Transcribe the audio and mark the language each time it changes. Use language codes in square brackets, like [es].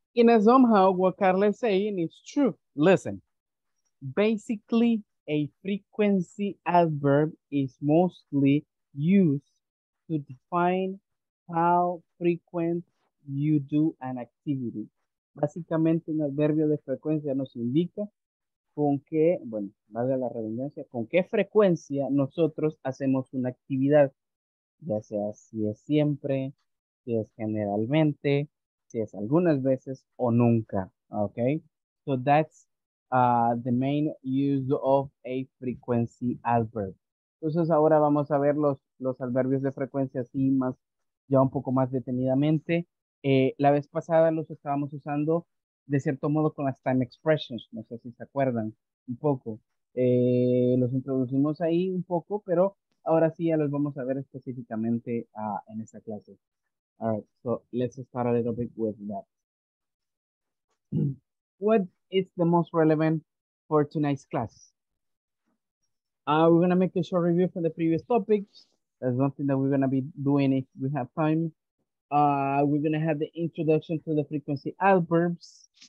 [en] In a somehow, what Carla is saying is true. Listen, basically, a frequency adverb is mostly used to define how frequent you do an activity. [es] Básicamente, un adverbio de frecuencia nos indica con qué, bueno, valga la redundancia, con qué frecuencia nosotros hacemos una actividad, ya sea si es siempre, si es generalmente, si es algunas veces o nunca, okay? [en] So that's the main use of a frequency adverb. [es] Entonces, ahora vamos a ver los adverbios de frecuencia así más, ya un poco más detenidamente. La vez pasada los estábamos usando de cierto modo con las time expressions, no sé si se acuerdan un poco. Los introducimos ahí un poco, pero ahora sí ya los vamos a ver específicamente en esta clase. [en] All right, so let's start a little bit with that. What is the most relevant for tonight's class? We're going to make a short review from the previous topics. That's something that we're going to be doing if we have time. We're going to have the introduction to the frequency adverbs.